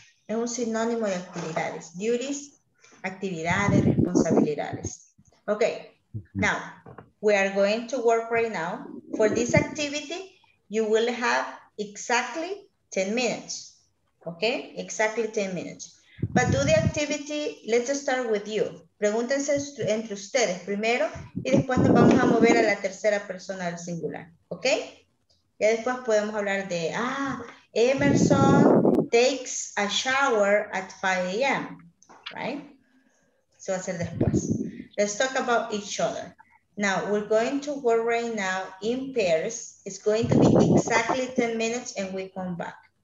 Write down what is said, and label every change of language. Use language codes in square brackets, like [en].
[es] Es un sinónimo de actividades. Duties, actividades, responsabilidades. [en] Okay, now, we are going to work right now. For this activity, you will have exactly 10 minutes. Okay, exactly 10 minutes. But do the activity, let's start with you. [es] Pregúntense entre ustedes primero y después nos vamos a mover a la tercera persona del singular. Okay? Ya después podemos hablar de, [en] Emerson takes a shower at 5 a.m. Right? [es] Eso va a ser después. [en] Let's talk about each other. Now, we're going to work right now in pairs. It's going to be exactly 10 minutes and we come back.